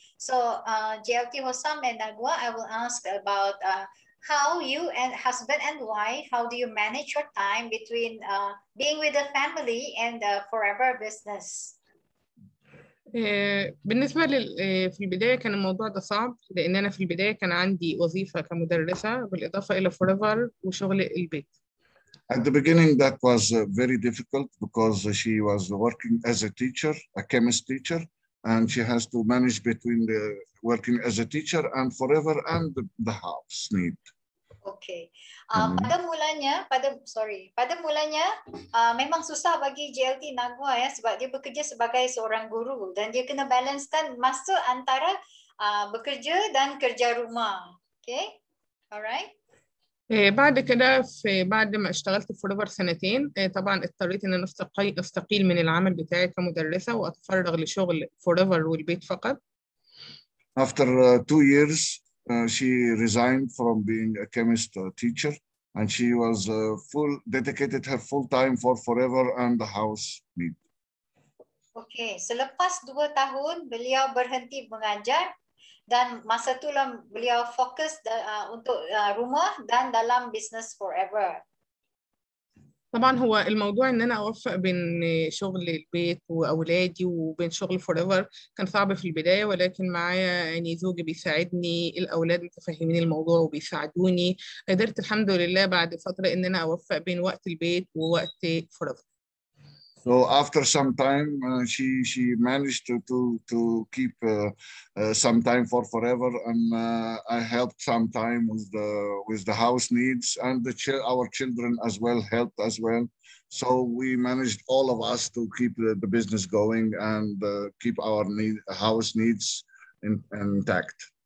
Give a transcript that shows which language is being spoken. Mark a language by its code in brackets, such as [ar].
[en] So, JLT Hosam and Nagwa, I will ask about how you and husband and wife, how do you manage your time between being with the family and the forever business? [ar] بالنسبة في البداية كان الموضوع ده صعب لأن أنا في البداية كان عندي وظيفة كمدرسة بالإضافة إلى forever وشغل البيت. [en] At the beginning that was very difficult because she was working as a teacher, a chemist teacher, and she has to manage between the working as a teacher and forever and the house need. Okay. [ms] Pada mulanya memang susah bagi JLT Nagwa ya sebab dia bekerja sebagai seorang guru dan dia kena balancekan masa antara bekerja dan kerja rumah. [en] Okay? Alright. [ar] بعد كده بعد ما اشتغلت فوريفر سنتين طبعا اضطريت ان استقيل من العمل بتاعي كمدرسه واتفرغ لشغل فوريفر والبيت فقط. [en] After two years she resigned from being a chemist teacher and she was dedicated her full time for forever and the house need. [ms] Okay, selepas 2 tahun beliau berhenti mengajar dan masa tu lah beliau fokus untuk rumah dan dalam business forever. [ar] طبعا هو الموضوع ان انا اوفق بين شغل البيت واولادي وبين شغل forever كان صعب في البدايه ولكن معايا يعني زوجي بيساعدني الاولاد متفهمين الموضوع وبيساعدوني قدرت الحمد لله بعد فتره ان انا اوفق بين وقت البيت ووقت forever. [en] So after some time, she managed to keep some time for forever, and I helped some time with the house needs, and our children as well helped as well. So we managed all of us to keep the business going and keep our house needs intact.